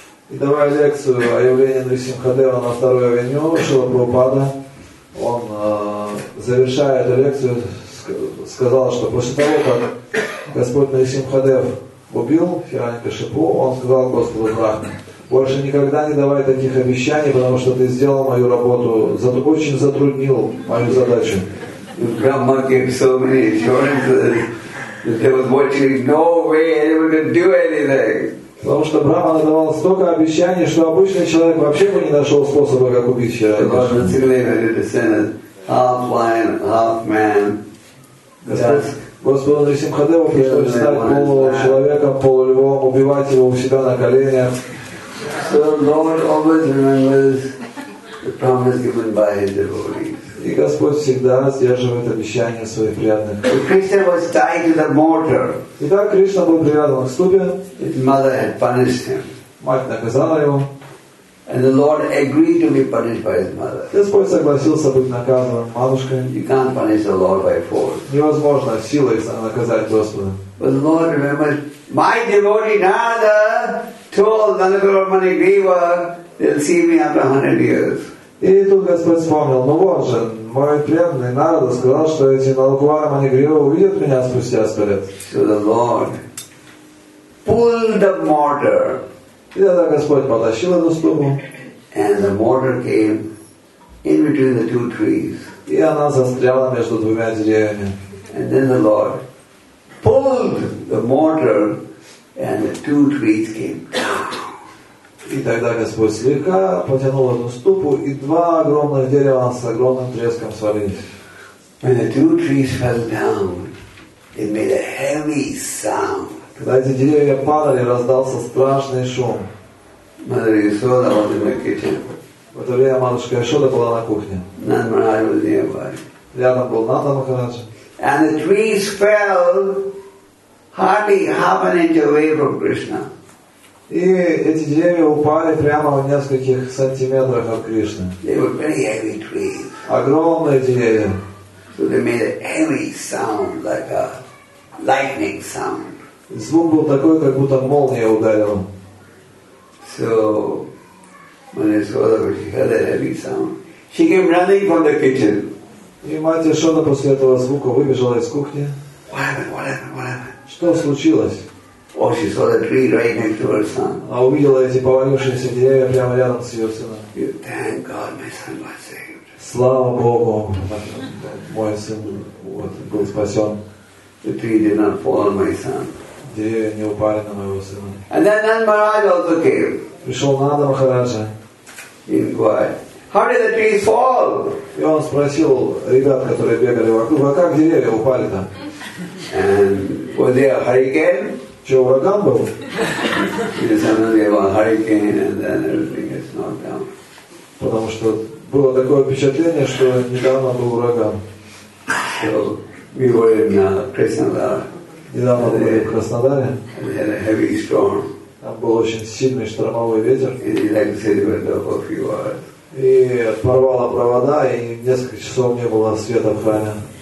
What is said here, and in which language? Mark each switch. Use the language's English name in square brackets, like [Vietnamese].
[Russian] И давая лекцию о явлении Нрисингхадева на Вторую авеню, Шрила Прабхупада, он, завершая эту лекцию, сказал, что после того, как Господь Нрисингхадев убил Хиранькашипу, он сказал Господу Брахме, больше никогда не давай таких обещаний, потому что ты сделал мою работу, очень затруднил мою задачу. [English] Brahma gave so many assurances that there was virtually no way anyone could do anything. [Russian] Потому что Брахма давал столько обещаний, что обычный человек вообще бы не нашел способа, как убить [English] Хиранькашипу. Half lion, half man. [Russian] Господу Нрисимхадеву пришлось стать получеловеком, полулевом, убивать его у себя на коленях. [English] So Lord always remembers the promise given by his devotees. [Russian] И Господь всегда сдерживает обещания своих преданных. [English] So Krishna was tied to the mortar. [Russian] Итак, Кришна был привязан к ступе. [English] His mother had punished him. [Russian] Мать наказала его. [English] And the Lord agreed to be punished by his mother. [Russian] Господь согласился быть наказанным матушкой. [English] You can't punish the Lord by force. [Russian] Невозможно силой наказать Господа. [English] But the Lord remembered, my devotee Narada told Nanakula Mani Griva, they'll see me after 100 years. [Russian] И тут Господь вспомнил, ну вот же, мой преданный Нарада сказал, что эти Нанакула Мани Грива увидят меня спустя 100 лет. [English] So the Lord pulled the mortar. [Russian] И тогда Господь потащил эту ступу. [English] And the mortar came in between the two trees. [Russian] И она застряла между двумя деревьями. [English] And then the Lord pulled the mortar And the two trees came. [Russian] И тогда Господь слегка потянул одну ступу, и два огромных дерева с огромным треском свалились. [English] When the two trees fell down, it made a heavy sound. [Russian] Когда эти деревья падали, раздался страшный шум. [English] Mother Yashoda was in the kitchen. [Russian] В это время матушка Яшода была на кухне. [English] Nathan Maharaj was nearby. [Russian] Рядом был Nathan Maharaj. [English] And the trees fell hardly half an inch away from Krishna. [Russian] И эти деревья упали прямо в нескольких сантиметрах от Кришны. [English] They were very heavy trees. [Russian] Огромные деревья. [English] So they made a heavy sound like a lightning sound. [Russian] Звук был такой, как будто молния ударила. [English] So when his father heard that heavy sound, she came running from the kitchen. [Russian] И мать Яшода после этого звука выбежала из кухни. [English] What happened? [Russian] Что случилось? [English] Oh, she saw the tree right next to her son. [Russian] Она увидела эти повалившиеся деревья прямо рядом с ее сыном. [English] Thank God, my son was saved. [Russian] Слава Богу, мой сын был спасен. [English] The tree did not fall on my son. [Russian] Деревья не упали на моего сына. [English] And then Nanda Maharaj also came. [Russian] Пришел Нанда Махараджа. [English] Inquired, how did the tree fall? [Russian] И он спросил ребят, которые бегали вокруг, а как деревья упали там? [English] And was there a hurricane? [Russian] Что, ураган был? [English] It is suddenly a hurricane and then everything is knocked down. [Russian] Потому что было такое впечатление, что недавно был ураган. [English] So we were in Krasnodar. [Russian] Недавно мы были в Краснодаре. [English] And we had a heavy storm. [Russian] Там был очень сильный штормовой ветер. [English] And the electricity went off a few hours. [Russian] И порвало провода, и несколько часов не было света в храме.